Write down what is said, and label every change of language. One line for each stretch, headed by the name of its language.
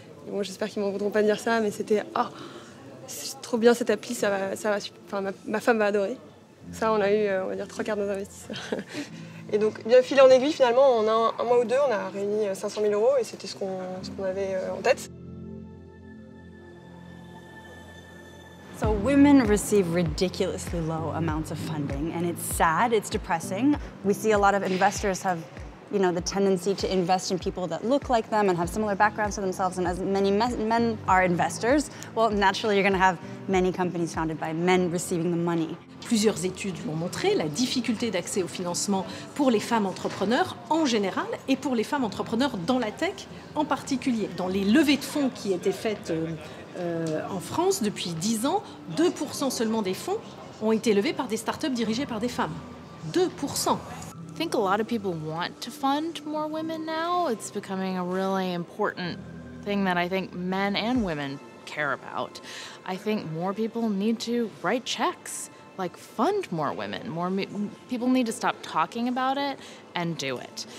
French: Et bon, j'espère qu'ils ne voudront pas dire ça, mais c'était « Ah, oh, c'est trop bien cette appli, ma femme va adorer ». Ça, on a eu, on va dire, trois quarts de nos investisseurs. Et donc, bien filé en aiguille, finalement, en un mois ou deux, on a réuni 500 000 euros et c'était ce qu'on avait en tête.
English: So women receive ridiculously low amounts of funding, and it's sad, it's depressing. We see a lot of investors have, you know, the tendency to invest in people that look like them and have similar backgrounds to themselves, and as many men are investors, well, naturally, you're going to have many companies founded by men receiving the money.
French: Plusieurs études l'ont montré, la difficulté d'accès au financement pour les femmes entrepreneurs en général et pour les femmes entrepreneurs dans la tech en particulier. Dans les levées de fonds qui étaient faites en France depuis 10 ans, 2% seulement des fonds ont été levés par des startups dirigées par des femmes. 2%.
English: I think a lot of people want to fund more women now. It's becoming a really important thing that I think men and women care about. I think more people need to write checks. Like fund more women. More people need to stop talking about it and do it.